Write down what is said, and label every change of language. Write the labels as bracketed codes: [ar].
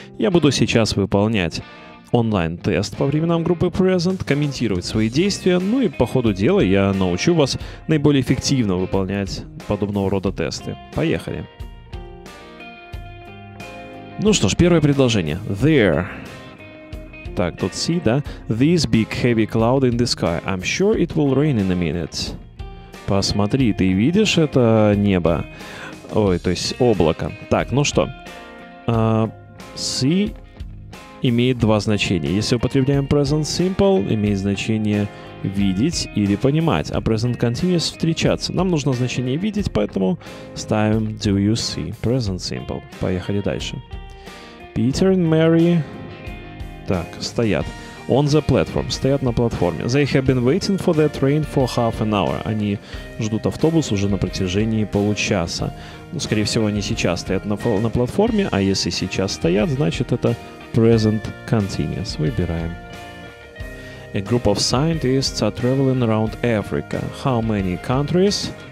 [ru] Я буду сейчас выполнять онлайн-тест по временам группы Present, комментировать свои действия, ну и по ходу дела я научу вас наиболее эффективно выполнять подобного рода тесты. Поехали! Ну что ж, первое предложение. [en] There. [ru] Так, тут C, да? [en] This big heavy cloud in the sky. I'm sure it will rain in a minute. [ru] Посмотри, ты видишь это небо? Ой, то есть облако. Так, ну что? C имеет два значения. Если употребляем present simple, имеет значение видеть или понимать. А present continuous встречаться. Нам нужно значение видеть, поэтому ставим [en] do you see [ru] present simple. Поехали дальше. [en] Peter and Mary... [ru] Так, стоят. [en] On the platform. [ru] Стоят на платформе. [en] They have been waiting for the train for half an hour. [ru] Они ждут автобус уже на протяжении получаса. Ну, скорее всего, они сейчас стоят на платформе, а если сейчас стоят, значит, это present continuous. Выбираем. [en] A group of scientists are traveling around Africa. How many countries?